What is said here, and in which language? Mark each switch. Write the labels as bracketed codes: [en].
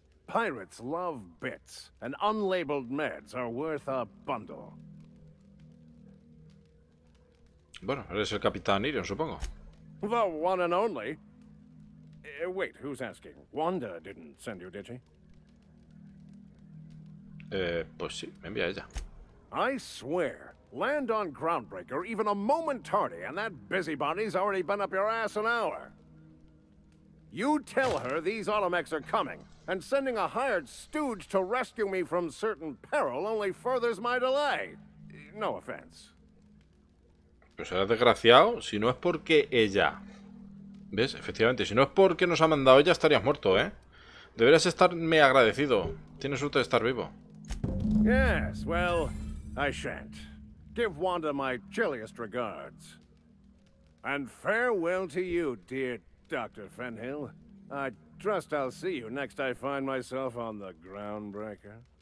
[en] Pirates love bits, and unlabeled meds are worth a bundle. [es] Bueno, eres el Capitán Irion, supongo. [en] The one and only. Wait, who's asking? Wanda didn't send you, did she? [es] Pues sí, me envía ella. [en] I swear, land on Groundbreaker even a moment tardy, and that busybody's already been up your ass an hour. You tell her these automechs are coming, and sending a hired stooge to rescue me from certain peril only furthers my delay. No offense. [es] Pues será desgraciado si no es porque ella. ¿Ves? Efectivamente, si no es porque nos ha mandado ella, estarías muerto, ¿eh? Deberías estarme agradecido. Tienes suerte de estar vivo. [en] Yes, well, I shan't. Give Wanda my chilliest regards. And farewell to you, dear Dr. Fenhill. I trust I'll see you next I find myself on the Groundbreaker.